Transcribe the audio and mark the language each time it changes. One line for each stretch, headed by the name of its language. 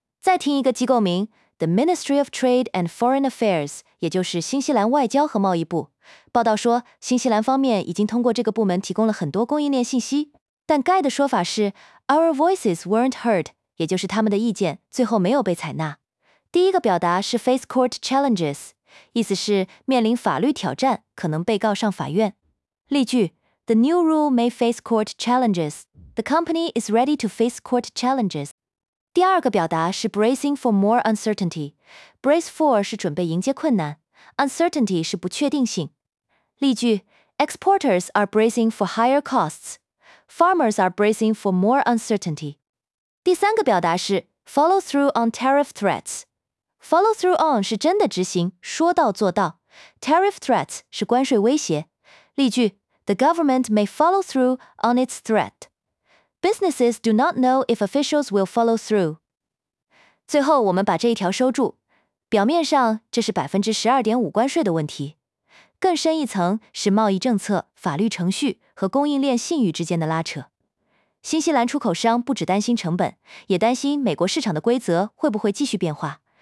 Chinese: 再听一个机构名 ，The Ministry of Trade and Foreign Affairs， 也就是新西兰外交和贸易部，报道说新西兰方面已经通过这个部门提供了很多供应链信息。但盖的说法是 ，
English: Our voices weren't heard，
Chinese: 也就是他们的意见最后没有被采纳。第一个表达是 face court challenges。意思是面临法律挑战，可能被告上法院。
English: 例句 ：The new rule may face court challenges. The company is ready to face court challenges.
Chinese: 第二个表达是 bracing for more uncertainty. Brace for 是准备迎接困难 ，uncertainty 是不确定性。
English: 例句 ：Exporters are bracing for higher costs. Farmers are bracing for more uncertainty.
Chinese: 第三个表达是
English: follow through on tariff threats.
Chinese: Follow through on 是真的执行，说到做到。Tariff threats 是关税威胁。
English: 例句 ：The government may follow through on its threat. Businesses do not know if officials will follow through.
Chinese: 最后，我们把这一条收住。表面上，这是 12.5% 关税的问题。更深一层是贸易政策、法律程序和供应链信誉之间的拉扯。新西兰出口商不只担心成本，也担心美国市场的规则会不会继续变化。